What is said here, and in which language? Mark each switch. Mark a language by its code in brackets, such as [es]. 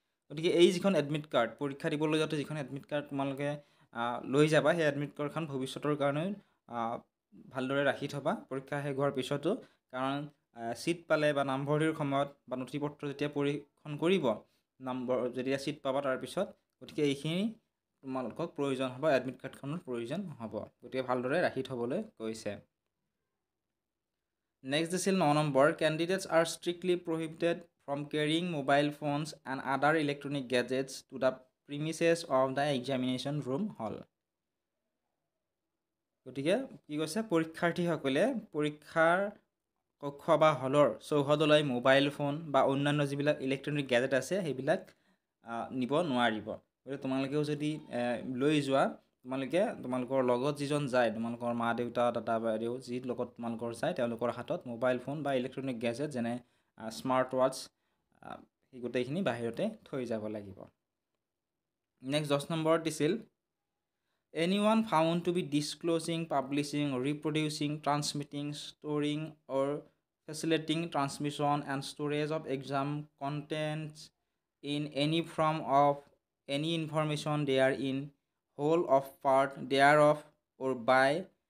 [as] গতিকে এই যিখন এডমিট কাৰ্ড পৰীক্ষা দিবলৈ যাওঁতে যিখন এডমিট কাৰ্ড তোমালোকে লৈ যাবা, সেই এডমিট কাৰ্ডখন ভৱিষ্যতৰ কাৰণে ভালদৰে ৰাখি থবা পৰীক্ষা শেষ হোৱাৰ পিছতো, কাৰণ ছিট পালে বা নামভৰ্তিৰ সময়ত বা নথি পত্ৰ যেতিয়া পৰীক্ষণ কৰিব, নম্বৰ যেতিয়া ছিট পাবা তাৰপিছত, গতিকে এইখিনি তোমালোকক প্ৰয়োজন হ'ব, এডমিট কাৰ্ডখনৰ প্ৰয়োজন হ'ব, গতিকে ভালদৰে ৰাখি থ'বলৈ কৈছে। নেক্সট আছিল 9 number, [en] Candidates are strictly prohibited from carrying mobile phones and other electronic gadgets to the premises of the examination room hall. [as] গতিকে কি কৈছে পৰীক্ষাৰ্থীসকলে পৰীক্ষাৰ কক্ষ বা হলৰ চৌহদলৈ মোবাইল ফোন বা অন্যান্য যিবিলাক ইলেক্ট্ৰনিক গেজেট আছে সেইবিলাক নিব নোৱাৰিব। গতিকে তোমালোকেও যদি লৈ যোৱা তোমালোকে তোমালোকৰ লগত যিজন যায় তোমালোকৰ মা দেউতা দাদা বাইদেউ যি লগত তোমালোকৰ যায় তেওঁলোকৰ হাতত মোবাইল ফোন বা ইলেক্ট্ৰনিক গেজেট যেনে স্মাৰ্ট ৱাচ সেই গোটেইখিনি বাহিৰতে থৈ যাব লাগিব। নেক্সট 10 নম্বৰত দিছিল [en] anyone found to be disclosing, publishing, reproducing, transmitting, storing or facilitating transmission and storage of exam contents in any form of any information therein, whole of part thereof or by